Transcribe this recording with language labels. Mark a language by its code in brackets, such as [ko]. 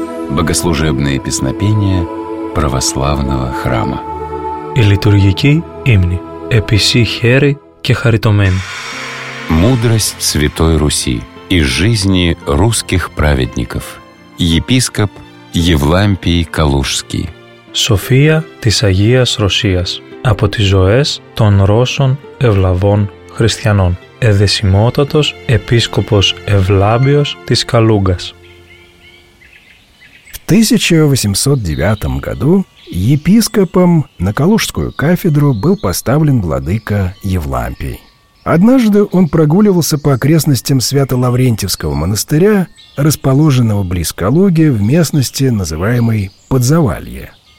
[ru] богослужебные песнопения православного храма. И литургики имени [el] «Эписи хери ке харитомен». [ru] Мудрость Святой Руси и жизни русских праведников. Епископ Евлампий Калужский. [el] София της Αγίας Ρωσίας. Από τις ζωές των Ρώσων Ευλαβών Χριστιανών. Εδεσιμότατος επίσκοπος Ευλάμπιος της Καλούγκας. [ru] В 1809 году епископом на Калужскую кафедру был поставлен владыка Евлампий. Однажды он прогуливался по окрестностям Свято-Лаврентьевского монастыря, расположенного близ Калуги в местности, называемой Подзавалье.